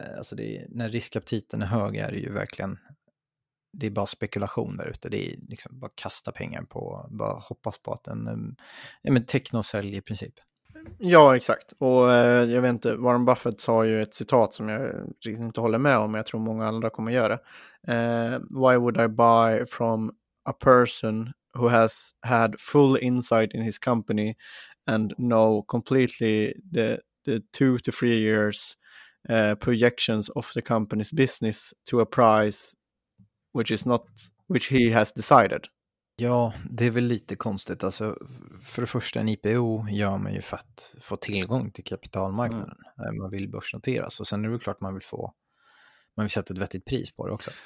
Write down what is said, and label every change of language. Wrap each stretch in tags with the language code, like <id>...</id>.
<sv>Alltså det är, när riskaptiten är hög är det ju verkligen, det är bara spekulation där ute. Det är liksom bara kasta pengar på, bara hoppas på att en, ja men teknosälj i princip. Ja, exakt. Och jag vet inte, Warren Buffett sa ju ett citat som jag riktigt inte håller med om, men jag tror många andra kommer göra.</sv> <en>Why would I buy from a person who has had full insight in his company and know completely the 2 to 3 years projections of the company's business to a price which is not which he has decided.</en> <sv>Ja, det är väl lite konstigt. Alltså, för det första, en IPO gör man ju för att få tillgång till kapitalmarknaden. Mm. Man vill börsnoteras, och sen är det väl klart man vill sätta ett vettigt pris på det också.</sv>